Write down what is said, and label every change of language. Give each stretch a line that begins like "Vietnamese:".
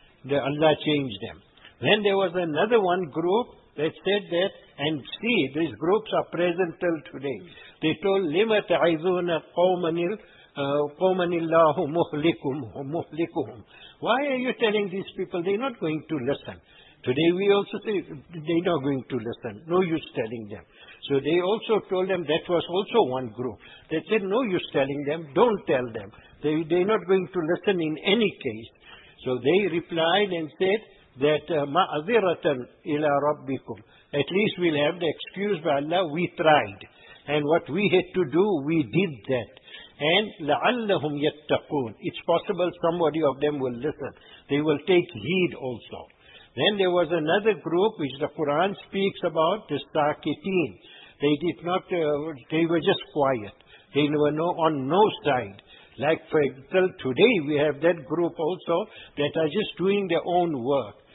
English: Allah changed them. Then there was another one group that said that, and see, these groups are present till today. They told,
Arabic: لِمَ تَعِذُونَ قَوْمَنِ اللَّهُ مُهْلِكُهُمْ.
English: Why are you telling these people? They're not going to listen. Today we also say, they're not going to listen. No use telling them. So they also told them, that was also one group. They said, no use telling them, don't tell them. They're not going to listen in any case. So they replied and said that,
Arabic: مَعْذِرَةً إِلَىٰ رَبِّكُمْ.
English: At least we'll have the excuse by Allah, we tried. And what we had to do, we did that. And
Arabic: لَعَلَّهُمْ يَتَّقُونَ.
English: It's possible somebody of them will listen. They will take heed also. Then there was another group which the Quran speaks about, the Sakitin. They did not, they were just quiet. They were on no side. Like for example, today we have that group also that are just doing their own work.